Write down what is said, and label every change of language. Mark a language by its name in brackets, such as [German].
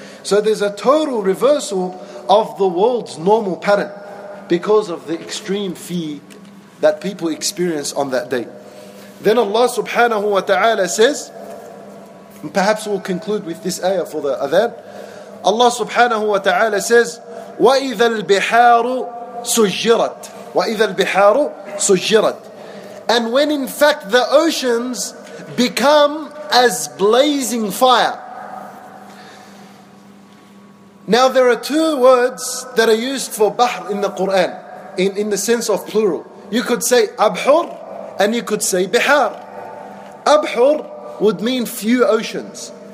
[English] So there's a total reversal of the world's normal pattern because of the extreme fear that people experience on that day. Then Allah subhanahu wa ta'ala says, and perhaps we'll conclude with this ayah for the adhan. Allah subhanahu wa ta'ala says, [Arabic] وَإِذَا الْبِحَارُ سُجِّرَتْ وَإِذَا الْبِحَارُ سُجِّرَتْ. [English] And when in fact the oceans become as blazing fire. Now there are two words that are used for bahr in the Quran, in the sense of plural. You could say abhur and you could say bihar. Abhur would mean few oceans.